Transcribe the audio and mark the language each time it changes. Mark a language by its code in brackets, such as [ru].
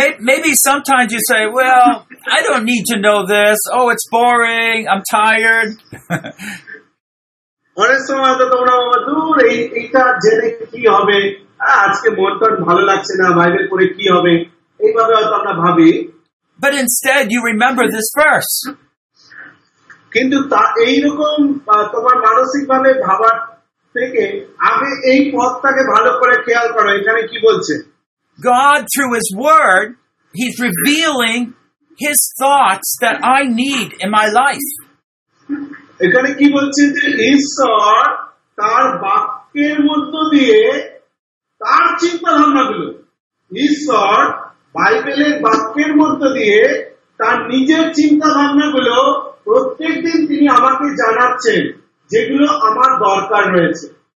[en] maybe sometimes you say, well, I don't need to know this, oh, it's boring, I'm tired. [bn] অনেক সময় তো তোমরা বাবা দূর এইটা জেনে কি হবে, আজকে মন টন ভালো লাগছে না, বাইবেল পড়ে কি হবে, এইভাবে হয়তো আমরা ভাবি। [en] But instead, you remember this verse. [bn] কিন্তু এইরকম তোমার মানসিক ভাবে ভাবার থেকে আগে এই পথটাকে ভালো করে খেয়াল করো, এখানে কি বলছে, [en] God through his word, he's revealing his thoughts that I need in my life. [bn] এখানে কি বলছে যে ঈশ্বর তার বাক্যের মধ্য দিয়ে তার চিন্তা ভাবনা গুলো, ঈশ্বর বাইবেলের বাক্যের মধ্য দিয়ে তার নিজের চিন্তা ভাবনা গুলো প্রত্যেক দিন তিনি আমাকে জানাচ্ছেন যেগুলো আমার দরকার হয়েছে।